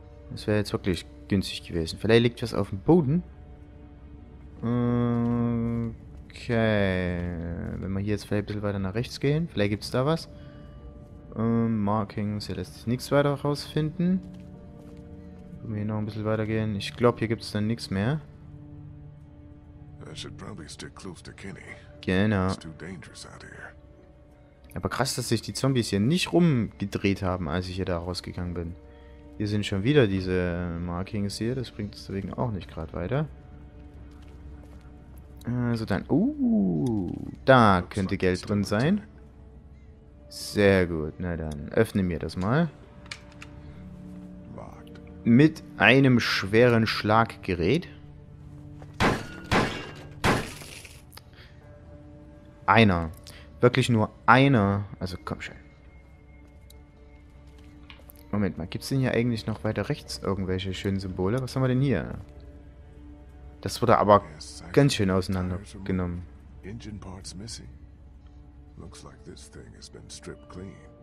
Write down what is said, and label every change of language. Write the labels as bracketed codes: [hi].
[de] Das wäre jetzt wirklich günstig gewesen. Vielleicht liegt was auf dem Boden. Okay. Wenn wir hier jetzt vielleicht ein bisschen weiter nach rechts gehen, vielleicht gibt es da was. Markings, hier lässt sich nichts weiter rausfinden. Wenn wir hier noch ein bisschen weiter gehen, ich glaube, hier gibt es dann nichts mehr. [en] I should probably stick close to Kenny. [de] Genau. [en] It's too dangerous out here. [de] Aber krass, dass sich die Zombies hier nicht rumgedreht haben, als ich hier da rausgegangen bin. Hier sind schon wieder diese Markings hier, das bringt es deswegen auch nicht gerade weiter. Also dann, da könnte Geld drin sein. Sehr gut, na dann, öffne mir das mal. Mit einem schweren Schlaggerät. Einer, wirklich nur einer, also komm schon. Moment mal, gibt es denn hier eigentlich noch weiter rechts irgendwelche schönen Symbole? Was haben wir denn hier? Das wurde aber ganz schön auseinandergenommen. [en] Engine parts missing. Looks like this thing has been stripped clean.